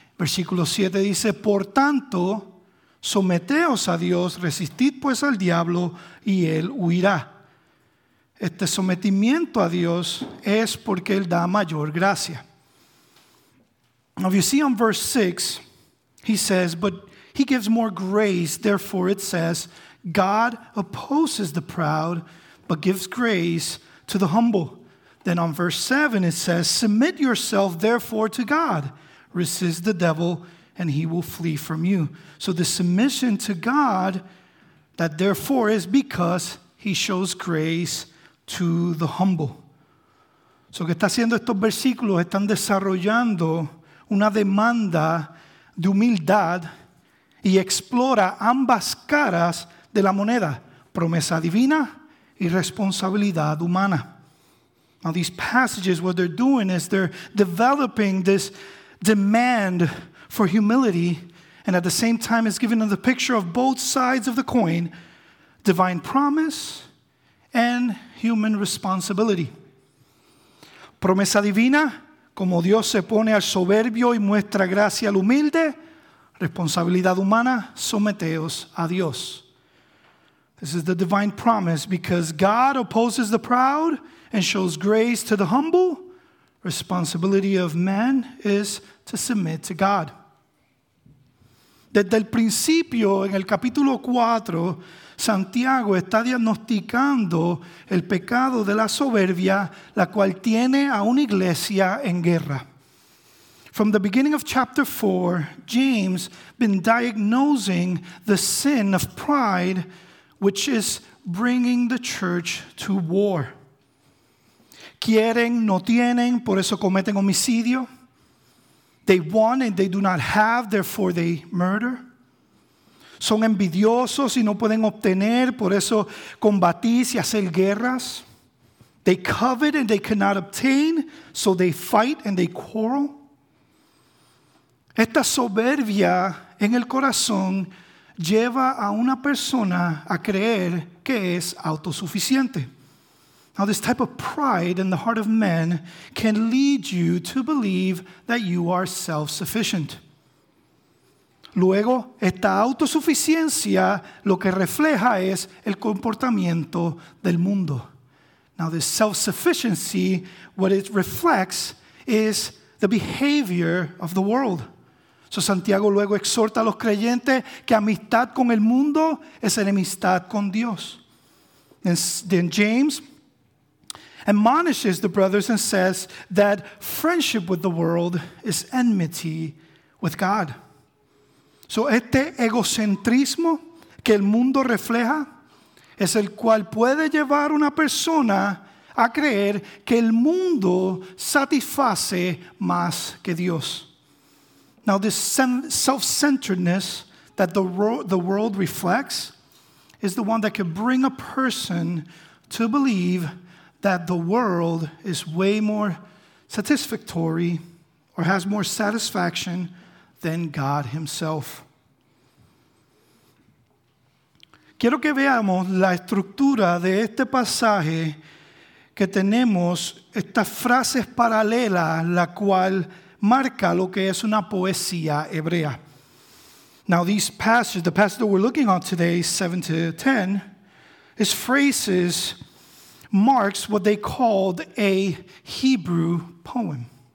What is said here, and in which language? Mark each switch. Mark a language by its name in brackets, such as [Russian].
[Spanish] Versículo 7 dice, por tanto, someteos a Dios, resistid pues al diablo, y Él huirá. Este sometimiento a Dios es porque Él da mayor gracia. [English] Now, if you see on verse 6, he says, but he gives more grace. Therefore, it says, God opposes the proud, but gives grace to the humble. Then on verse 7, it says, submit yourself, therefore, to God. Resist the devil, and he will flee from you. So the submission to God, that therefore is because he shows grace to the humble. [Spanish] So que está haciendo estos versículos, están desarrollando una demanda de humildad y explora ambas caras de la moneda, promesa divina y responsabilidad humana. [English] Now these passages, what they're doing is they're developing this demand for humility, and at the same time it's giving them the picture of both sides of the coin, divine promise and human responsibility. [Spanish] Promesa divina, como Dios se pone al soberbio y muestra gracia al humilde, Responsabilidad humana, someteos a Dios. [English] This is the divine promise. Because God opposes the proud and shows grace to the humble, responsibility of man is to submit to God. [Spanish] Desde el principio, en el capítulo 4, Santiago está diagnosticando el pecado de la soberbia, la cual tiene a una iglesia en guerra. [English] From the beginning of chapter 4, James has been diagnosing the sin of pride, which is bringing the church to war. [Spanish] Quieren, no tienen, por eso cometen homicidio. [English] They want and they do not have, therefore they murder. [Spanish] Son envidiosos y no pueden obtener, por eso combatís y hacer guerras. [English] They covet and they cannot obtain, so they fight and they quarrel. [Spanish] Esta soberbia en el corazón lleva a una persona a creer que es autosuficiente. [English] Now, this type of pride in the heart of man can lead you to believe that you are self-sufficient. [Spanish] Luego, esta autosuficiencia lo que refleja es el comportamiento del mundo. [English] Now, this self-sufficiency, what it reflects is the behavior of the world. [Spanish] So Santiago luego exhorta a los creyentes que amistad con el mundo es enemistad con Dios. [English] Then James admonishes the brothers and says that friendship with the world is enmity with God. [Spanish] So este egocentrismo que el mundo refleja es el cual puede llevar una persona a creer que el mundo satisface más que Dios. [English] Now this self-centeredness that the world reflects is the one that can bring a person to believe that the world is way more satisfactory or has more satisfaction than God himself. [Spanish] Quiero que veamos la estructura de este pasaje que tenemos estas frases paralelas la cual marca lo que es una poesía hebrea. [English] Now these passages, the passage that we're looking on today, 7 to 10, his phrases marks what they called a Hebrew poem.